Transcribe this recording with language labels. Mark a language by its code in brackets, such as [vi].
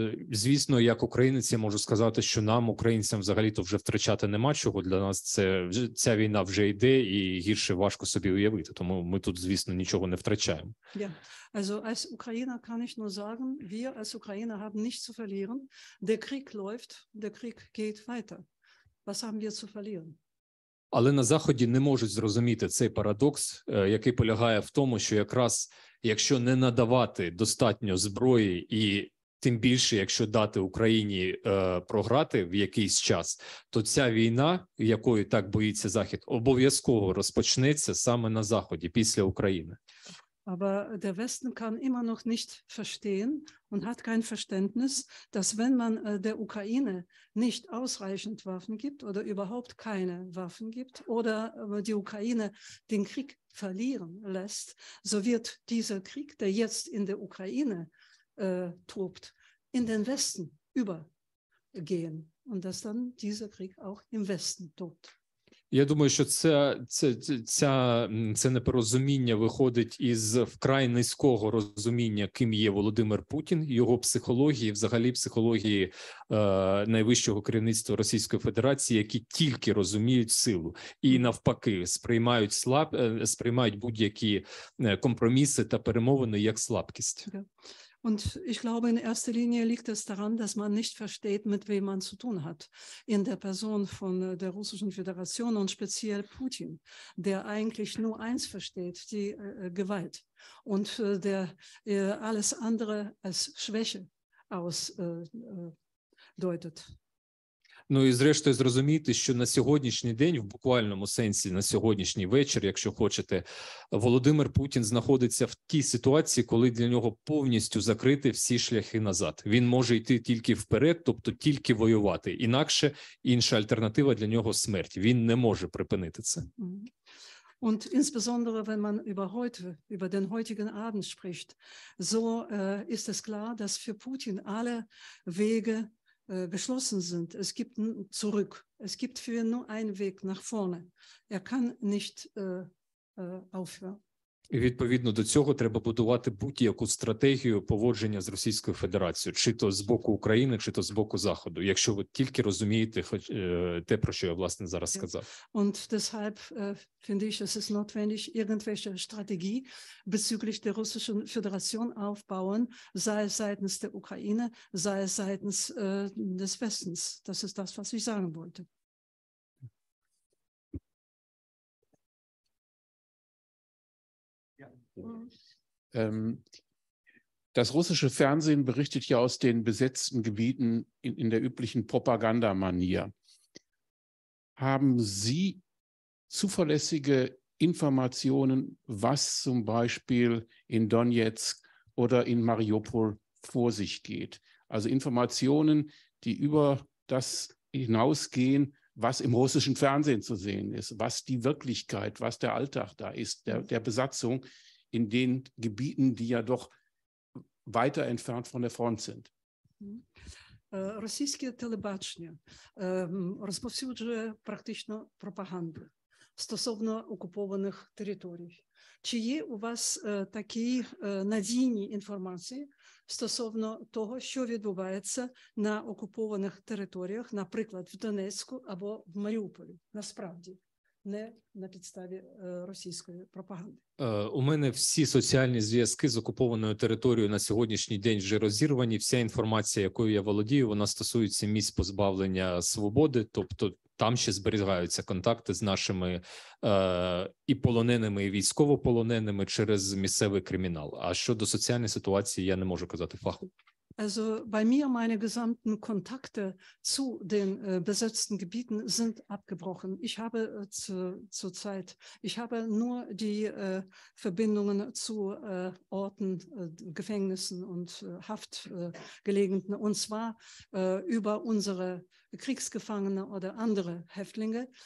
[uk] Звісно, як українець, я можу сказати, що нам, українцям, взагалі-то вже втрачати нема чого. Для нас ця війна вже йде, і гірше важко собі уявити. Тому ми тут, звісно, нічого не втрачаємо. [de] Ja. Also als Ukrainer kann ich nur sagen, wir als Ukrainer haben nichts zu verlieren. Der Krieg läuft, der Krieg geht weiter. Was haben wir zu verlieren? [uk] Але на Заході не можуть зрозуміти цей парадокс, який полягає в тому, що якраз якщо не надавати достатньо зброї і тим більше, якщо дати Україні програти в якийсь час, то ця війна, якою так боїться Захід, обов'язково розпочнеться саме на Заході, після України. [de] Aber der Westen kann immer noch nicht verstehen und hat kein Verständnis, dass wenn man der Ukraine nicht ausreichend Waffen gibt oder überhaupt keine Waffen gibt oder die Ukraine den Krieg verlieren lässt, so wird dieser Krieg, der jetzt in der Ukraine tobt, in den Westen übergehen und dass dann dieser Krieg auch im Westen tobt. [uk] Я думаю, що це непорозуміння виходить із вкрай низького розуміння, ким є Володимир Путін, його психології, взагалі психології найвищого керівництва Російської Федерації, які тільки розуміють силу і навпаки сприймають будь-які компроміси та перемовини як слабкість. [de] Und ich glaube, in erster Linie liegt es daran, dass man nicht versteht, mit wem man zu tun hat. In der Person von der Russischen Föderation und speziell Putin, der eigentlich nur eins versteht, die Gewalt. Und der alles andere als Schwäche ausdeutet. [uk] Ну і зрештою зрозуміти, що на сьогоднішній день, в буквальному сенсі, на сьогоднішній вечір, якщо хочете, Володимир Путін знаходиться в тій ситуації, коли для нього повністю закриті всі шляхи назад. Він може йти тільки вперед, тобто тільки воювати. Інакше інша альтернатива для нього – смерть. Він не може припинити це. [de] Und insbesondere, wenn man über heute, über den heutigen Abend spricht, so ist es klar, dass für Putin alle Wege geschlossen sind. Es gibt zurück. Es gibt für ihn nur einen Weg nach vorne. Er kann nicht aufhören. [uk] І відповідно до цього треба будувати будь-яку стратегію поводження з Російською Федерацією, чи то з боку України, чи то з боку Заходу, якщо ви тільки розумієте те, про що я власне зараз сказав. [de] Und deshalb finde ich, es ist notwendig, irgendwelche Strategie bezüglich der Russischen Föderation aufbauen, sei es seitens der Ukraine, sei es seitens des Westens. Das ist das, was ich sagen wollte. Das russische Fernsehen berichtet ja aus den besetzten Gebieten in der üblichen Propagandamanier. Haben Sie zuverlässige Informationen, was zum Beispiel in Donetsk oder in Mariupol vor sich geht? Also Informationen, die über das hinausgehen, was im russischen Fernsehen zu sehen ist, was die Wirklichkeit, was der Alltag da ist, der Besatzung, in den Gebieten, die ja doch weiter entfernt von der Front sind. [uk] Російське телебачення розповсюджує практично пропаганду стосовно окупованих територій. Чи є у вас такі надійні інформації стосовно того, що відбувається на окупованих територіях, наприклад, в Донецьку або в Маріуполі, насправді? Не на підставі російської пропаганди. У мене всі соціальні зв'язки з окупованою територією на сьогоднішній день вже розірвані. Вся інформація, якою я володію, вона стосується місць позбавлення свободи, тобто там ще зберігаються контакти з нашими і полоненими, і військовополоненими через місцевий кримінал. А щодо соціальної ситуації, я не можу казати фахово. [de] Also bei mir, meine gesamten Kontakte zu den besetzten Gebieten sind abgebrochen. Ich habe zurzeit, ich habe nur die Verbindungen zu Orten, Gefängnissen und Haftgelegenen und zwar über unsere Kriegsgefangene oder andere Häftlinge.